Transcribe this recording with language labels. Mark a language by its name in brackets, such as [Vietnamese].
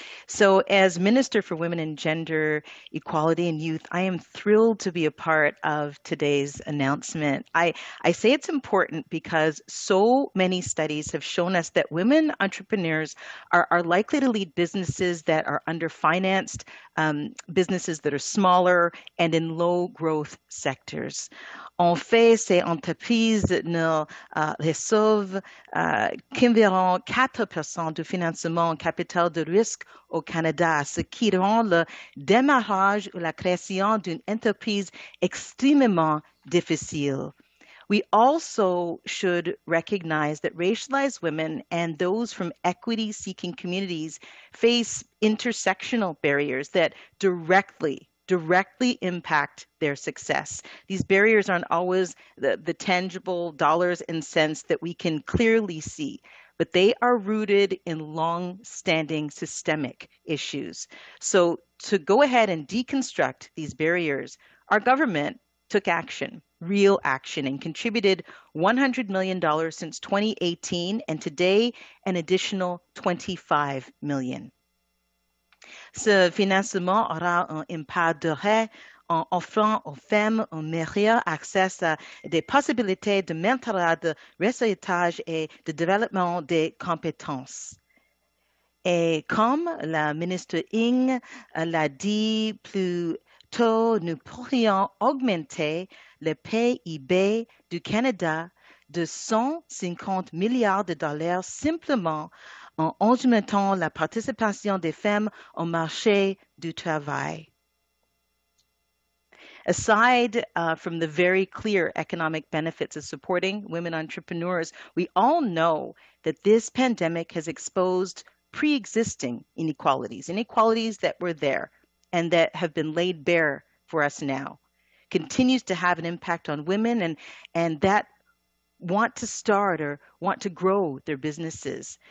[English] So as Minister for Women and Gender Equality and Youth, I am thrilled to be a part of today's announcement. I say it's important because so many studies have shown us that women entrepreneurs are likely to lead businesses that are underfinanced, businesses that are smaller and in low growth sectors. [French] En fait, ces entreprises ne reçoivent qu'environ 4% du financement capital de risque au Canada, ce qui rend le démarrage ou la création d'une entreprise extrêmement difficile. [English] We also should recognize that racialized women and those from equity-seeking communities face intersectional barriers that directly impact their success. These barriers aren't always the tangible dollars and cents that we can clearly see, but they are rooted in long-standing systemic issues. So to go ahead and deconstruct these barriers, our government took action, real action, and contributed $100 million since 2018, and today an additional $25 million. [French] Ce financement aura un impact direct en offrant aux femmes un meilleur accès à des possibilités de mentorat, de réseautage et de développement des compétences. Et comme la ministre Ng l'a dit plus tôt, nous pourrions augmenter le PIB du Canada de 150 milliards de dollars simplement en augmentant la participation des femmes au marché du travail. [English] Aside from the very clear economic benefits of supporting women entrepreneurs, we all know that this pandemic has exposed pre-existing inequalities, inequalities that were there and that have been laid bare for us now, continues to have an impact on women and that want to start or want to grow their businesses.